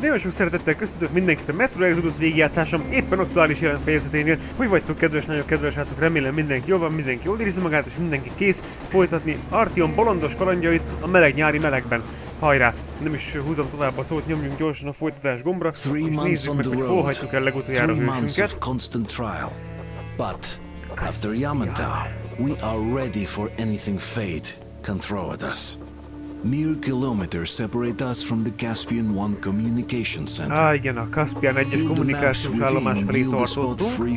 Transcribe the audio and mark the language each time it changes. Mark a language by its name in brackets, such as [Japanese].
[Hungarian] Nagyon sok szeretettel köszöntök mindenkit a Metro Exodus végijátszásom éppen aktuális jelen fejezeténél. Hogy vagytok, kedves, nagyon kedves srácok? Remélem mindenki jól van, mindenki jól érzi magát, és mindenki kész folytatni Artyom bolondos kalandjait a meleg nyári melegben. Hajrá! Nem is húzom tovább a szót, nyomjunk gyorsan a folytatás gombra, és nézzük meg, hogy hol hagytuk el legutoljára a hősünket. [English] Constant trial. But after Yamanta, we are ready for anything fate can throw at us. Mere kilometers separate us from the Caspian 1 communication center. [Hungarian] Ah, igen, a Caspian 1-es kommunikációs állomás felé tartottunk.